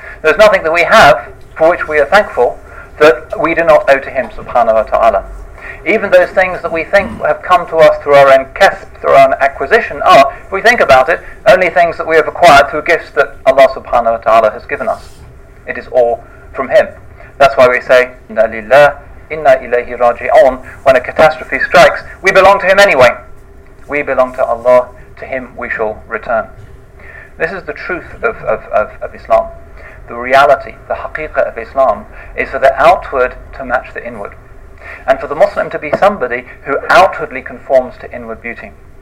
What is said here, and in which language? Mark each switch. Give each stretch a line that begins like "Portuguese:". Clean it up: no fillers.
English: There's nothing that we have for which we are thankful that we do not owe to him subhanahu wa ta'ala. Even those things that we think have come to us through our own kasb, through our own acquisition, are, if we think about it, only things that we have acquired through gifts that Allah subhanahu wa ta'ala has given us. It is all from him. That's why we say,
Arabic: إِنَّا لِلَّهِ إِنَّا إِلَيْهِ رَاجِعُونَ.
English: When a catastrophe strikes, we belong to him anyway. We belong to Allah, to him we shall return. This is the truth of Islam. The reality, the haqiqah of Islam, is for the outward to match the inward. And for the Muslim to be somebody who outwardly conforms to inward beauty.